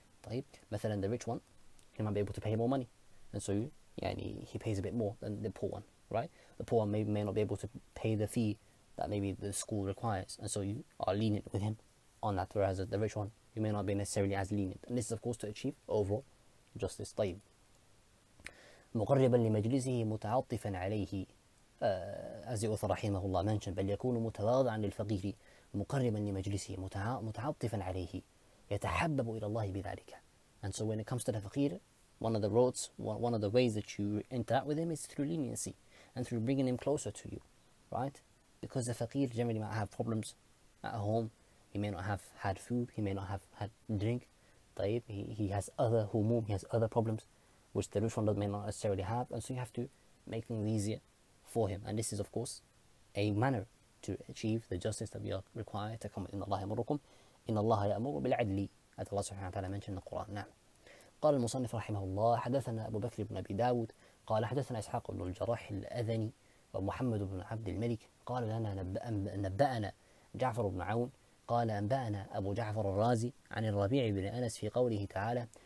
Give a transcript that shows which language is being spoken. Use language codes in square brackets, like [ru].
[ar] طيب. مثلا, [en] the rich one, he might be able to pay more money. And so he pays a bit more than the poor one, right? The poor one may not be able to pay the fee that maybe the school requires. And so you are lenient with him on that. Whereas the rich one, you may not be necessarily as lenient. And this is, of course, to achieve overall justice. [ar] طيب. مقربا لمجلسه متعطفا عليه [en] as the author [ar] رحمه الله mentioned, بل يكون متواضعا للفقير مقربا لمجلسه متعطفا عليه يتحبب الى الله بذلك. [en] And so when it comes to the faqir, one of the roads, one of the ways that you interact with him is through leniency and through bringing him closer to you, right? Because the faqir generally might have problems at home. He may not have had food, he may not have had drink. [ar] طيب. [en] He has other humum, he has other problems which the rich one may not necessarily have, and so you have to make things easier for him. And this is, of course, a manner to achieve the justice that we are required to come. [ar] إِنَّ اللَّهَ يَأْمُرُكُمْ إِنَّ اللَّهَ يَأْمُرُ بِالْعَدْلِ, [en] as Allah subhanahu wa ta'ala mentioned in the Quran. [ar] نعم. قال المصنف رحمه الله حدثنا أبو بكر بن أبي داود قال حدثنا إسحاق بن الجراح الأذني ومحمد بن عبد الملك قال لنا نبأنا جعفر بن عون قال أنبأنا أبو جعفر الرازي عن الربيع بن أنس في قوله تعالى